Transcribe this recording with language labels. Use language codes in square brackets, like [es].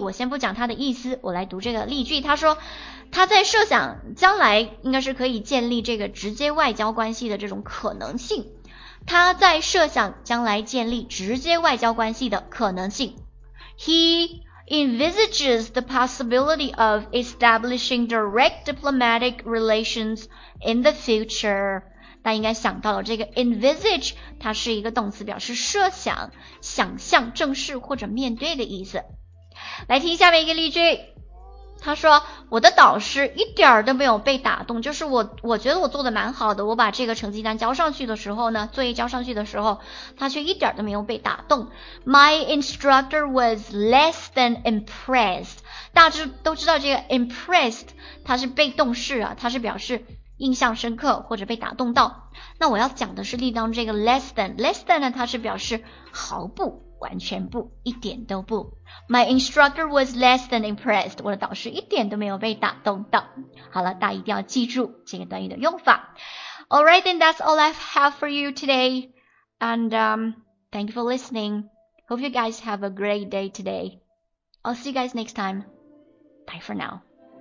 [zh] 我先不讲它的意思，我来读这个例句，他说他在设想将来应该是可以建立这个直接外交关系的这种可能性，他在设想将来建立直接外交关系的可能性。 [en] He envisages the possibility of establishing direct diplomatic relations in the future. [zh] 大家应该想到了这个 envisage， 它是一个动词，表示设想、想象、正视或者面对的意思。来听下面一个例句，他说我的导师一点都没有被打动，就是我觉得我做的蛮好的，我把这个成绩单交上去的时候呢，作业交上去的时候，他却一点都没有被打动。 [en] My instructor was less than impressed。 [zh] 大致都知道这个 impressed 它是被动式啊，它是表示印象深刻或者被打动到。那我要讲的是例当这个 less than， less than 呢，它是表示毫不完全不，一点都不。 [en] My instructor was less than impressed. [zh] 我的导师一点都没有被打动到。好了，大家一定要记住这个短语的用法。 [en] Alright, then that's all I have for you today. And, thank you for listening. Hope you guys have a great day today. I'll see you guys next time. Bye for now.